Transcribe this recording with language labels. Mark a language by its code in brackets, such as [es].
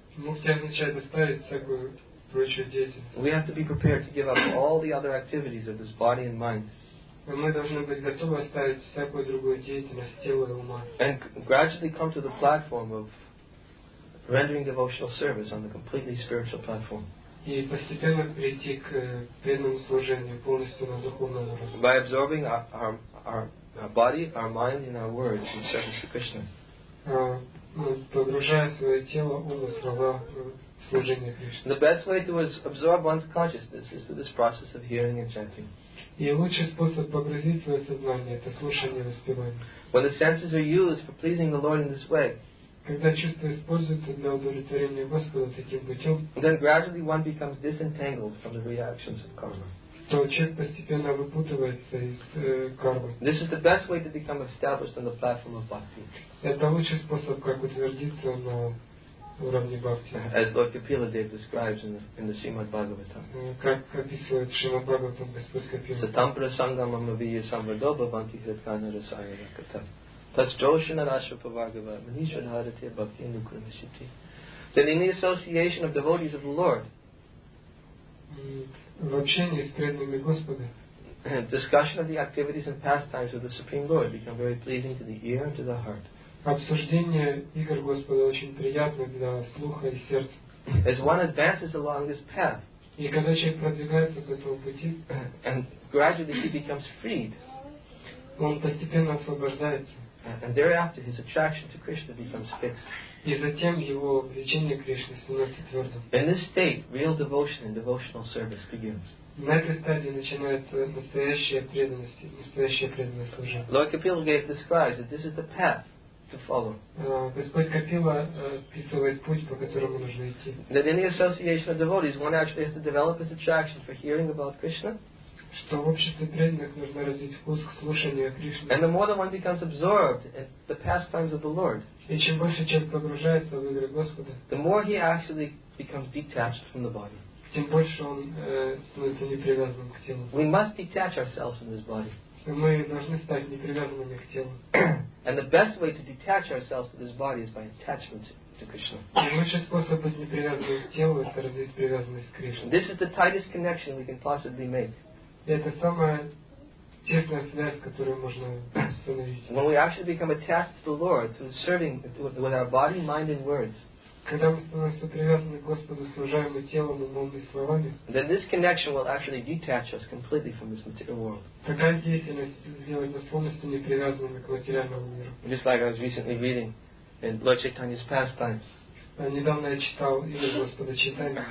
[en] We have to be prepared to give up all the other activities of this body and mind. [ru] Мы должны быть готовы оставить всякую другую деятельность тела и ума. [en] And gradually come to the platform of rendering devotional service on the completely spiritual platform. [ru] И постепенно прийти к преданному служению полностью на духовном уровне. [en] By absorbing our body, our mind, and our words in service to Krishna. [ru] Погружая свое тело, ум и слова в служение Кришне. [en] The best way to absorb one's consciousness is through this process of hearing and chanting. [ru] И лучший способ погрузить свое сознание это слушание и воспевание. [en] When the senses are used for pleasing the Lord in this way, [ru] когда чувства используются для удовлетворения Господа таким путем, [en] then gradually one becomes disentangled from the reactions of karma. [ru] То человек постепенно выпутывается из кармы. [en] This is the best way to become established on the platform of bhakti. [ru] Это лучший способ как утвердиться на уровне бхакти. [en] As Lord Kapila Dev describes in the Srimad Bhagavatam. [ru] Как описывает Шримад Бхагаватам Господь Капила. [sa] Сатам прасангам амавия самвардоба банти хритхана расая раката. Тач джошина раша павагава манишан харати бхакти нукрамишити. [en] Then in the association of devotees of the Lord, [ru] в общении с преданными Господа, [en] discussion of the activities and pastimes of the Supreme Lord become very pleasing to the ear and to the heart. [ru] Обсуждение игр Господа очень приятно для слуха и сердца. [en] As one advances along this path, [ru] и когда человек продвигается по этому пути, [en] and gradually he becomes freed, [ru] он постепенно освобождается, [en] and thereafter his attraction to Krishna becomes fixed. [ru] И затем его влечение к Кришне становится твердым. [en] In this state, real devotion and devotional service begins. [ru] На этой стадии начинается настоящая преданность служения. [en] Lord Kapila Dev describes that this is the path to follow. [ru] Господь Капила описывает путь, по которому нужно идти. [en] That in the association of devotees, one actually has to develop his attraction for hearing about Krishna. [ru] Что в обществе преданных нужно развить вкус к слушанию о Кришне. [en] And the more that one becomes absorbed in the pastimes of the Lord. [ru] И чем больше человек погружается в игры Господа, [en] the more he actually becomes detached from the body. [ru] Тем больше он становится непривязанным к телу. [en] We must detach ourselves from this body. [ru] Мы должны стать непривязанными к телу. [en] And the best way to detach ourselves to this body is by attachment to Krishna. [ru] И лучший способ быть непривязанным к телу — это развить привязанность к Кришне. [en] This is the tightest connection we can possibly make. [ru] Это самая тесная связь, которую можно установить. [en] When we actually become attached to the Lord through serving with our body, mind, and words. [ru] Когда мы становимся привязанными к Господу, служаем и телом, умом и словами, [en] then this connection will actually detach us completely from this material world. [ru] Такая деятельность сделает нас полностью непривязанными к материальному миру. [en] Just like I was recently reading in Lord Chaitanya's pastimes. [ru] Недавно я читал имя Господа Чайтанья.